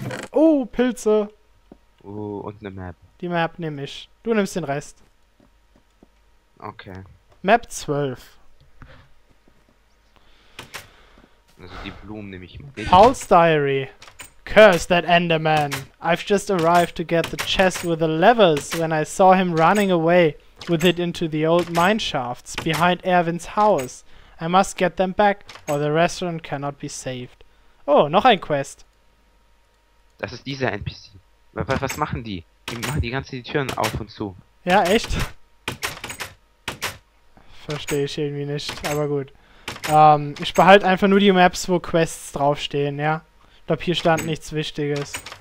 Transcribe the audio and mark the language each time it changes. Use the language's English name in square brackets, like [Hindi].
[German] Oh, Pilze. Und eine Map. Die Map nehme ich. Du nimmst den Rest. Okay. Map 12. Also die Blumen nehme ich mit. [English] Paul's Diary. Curse that Enderman. I've just arrived to get the chest with the levers when I saw him running away with it into the old mine shafts behind Erwin's house. I must get them back or the restaurant cannot be saved. [German] Oh, noch ein Quest. Das ist dieser NPC. Was machen die? Die machen die ganze Türen auf und zu. Ja, echt? Verstehe ich irgendwie nicht, aber gut. Ich behalte einfach nur die Maps, wo Quests draufstehen, ja? Ich glaube, hier stand nichts Wichtiges.